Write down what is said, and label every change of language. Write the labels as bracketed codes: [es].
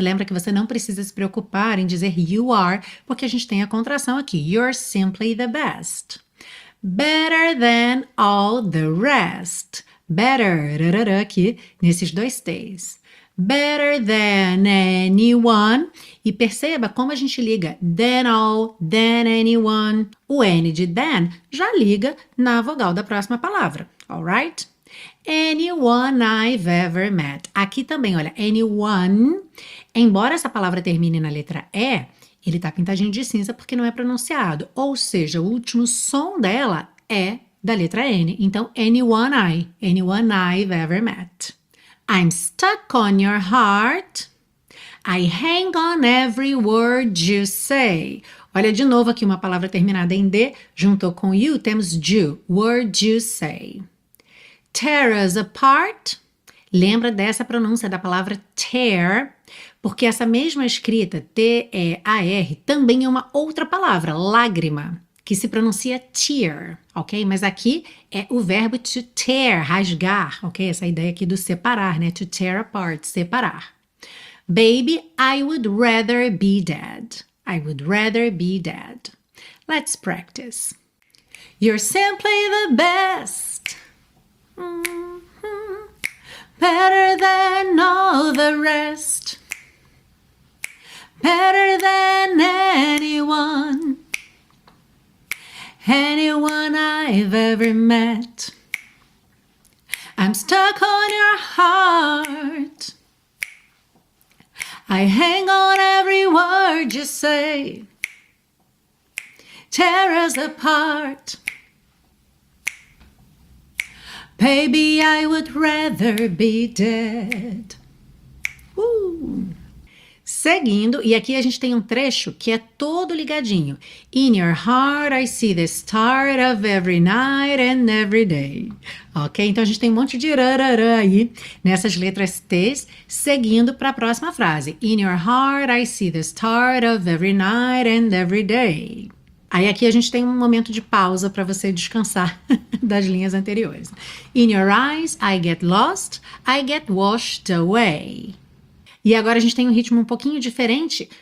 [pt] Lembra que você não precisa se preocupar em dizer you are, porque a gente tem a contração aqui, [en] you're simply the best. Better than all the rest. [pt] Better, aqui, nesses dois T's. [en] Better than anyone. [pt] E perceba como a gente liga than all, than anyone. O N de than já liga na vogal da próxima palavra. Alright? [en] Anyone I've ever met. [pt] Aqui também, olha, [en] anyone. [pt] Embora essa palavra termine na letra E, ele tá pintadinho de cinza porque não é pronunciado. Ou seja, o último som dela é da letra N. [en] Então, anyone I've ever met. I'm stuck on your heart. I hang on every word you say. [pt] Olha de novo aqui uma palavra terminada em D. Junto com you, temos you. [en] Word you say. Tear us apart. [pt] Lembra dessa pronúncia da palavra tear. Porque essa mesma escrita, T-E-A-R, também é uma outra palavra, lágrima, que se pronuncia tear, ok? Mas aqui é o verbo to tear, rasgar, ok? Essa ideia aqui do separar, né? [en] To tear apart, [pt] separar. [en] Baby, I would rather be dead. I would rather be dead. Let's practice. You're simply the best. Mm-hmm. Better than all the rest. Better than anyone, anyone I've ever met. I'm stuck on your heart. I hang on every word you say. Tear us apart. Baby, I would rather be dead. [pt] Seguindo, e aqui a gente tem um trecho que é todo ligadinho. [en] In your heart I see the start of every night and every day. Ok? [pt] Então a gente tem um monte de rarará aí nessas letras T's, seguindo para a próxima frase. [en] In your heart I see the start of every night and every day. [pt] Aí aqui a gente tem um momento de pausa para você descansar das linhas anteriores. [en] In your eyes I get lost, I get washed away. [pt] E agora a gente tem um ritmo um pouquinho diferente.